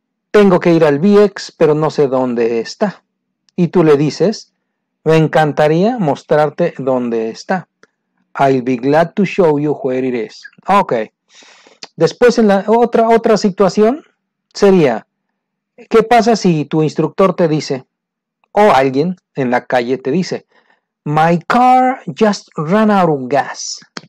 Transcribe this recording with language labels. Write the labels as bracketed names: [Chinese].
[Spanish] Tengo que ir al BX, pero no sé dónde está. Y tú le dices, me encantaría mostrarte dónde está. [English] I'll be glad to show you where it is. Ok. [Spanish] Después, en la otra situación sería, ¿qué pasa si tu instructor te dice, o alguien en la calle te dice, [English] my car just ran out of gas?